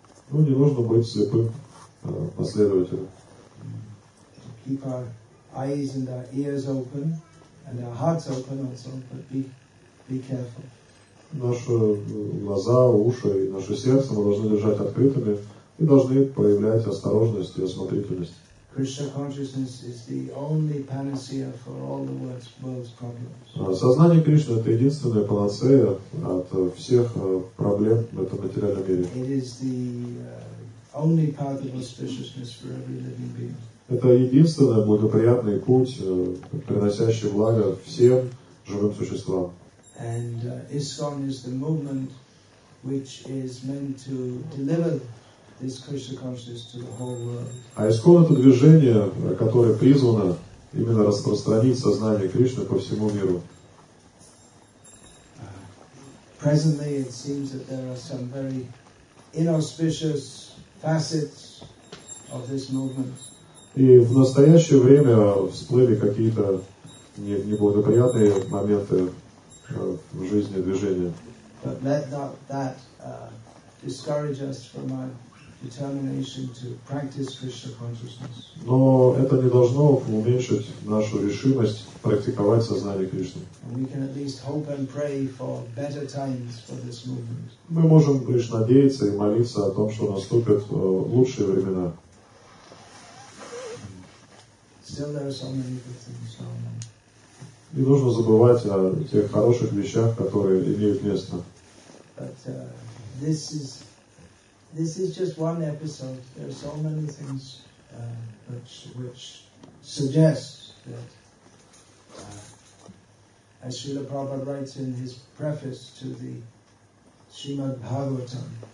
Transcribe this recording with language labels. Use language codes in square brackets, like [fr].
[ru] Ну, не нужно быть слепым последователем. [en] Keep our eyes and our ears open, and our hearts open also, but be careful. [ru] Наши глаза, уши и наше сердце мы должны держать открытыми и должны проявлять осторожность и осмотрительность. [en] Krishna consciousness is the only panacea for all the world's problems. [ru] Сознание Кришны — это единственная панацея от всех проблем в этом материальном мире. [en] It is the only path of auspiciousness for every living being. [ru] Это единственный благоприятный путь, приносящий благо всем живым существам. [en] And ISKCON is the movement which is meant to deliver this Krishna consciousness to the whole world. [ru] А ISKCON — это движение, которое призвано именно распространить сознание Кришны по всему миру. [en] Presently it seems that there are some very inauspicious facets of this movement. [ru] И в настоящее время всплыли какие-то неблагоприятные моменты в жизни движения. [en] But let not that discourage us from our determination to practice Krishna consciousness. [ru] Но это не должно уменьшить нашу решимость практиковать сознание Кришны. [en] And we can at least hope and pray for better times for this movement. [ru] Мы можем лишь надеяться и молиться о том, что наступят лучшие времена. [en] Still there are so many good things going on. [ru] Не нужно забывать о тех хороших вещах, которые имеют место. [en] But this is just one episode. There are so many things which suggest that, as Srila Prabhupada writes in his preface to the Srimad Bhagavatam.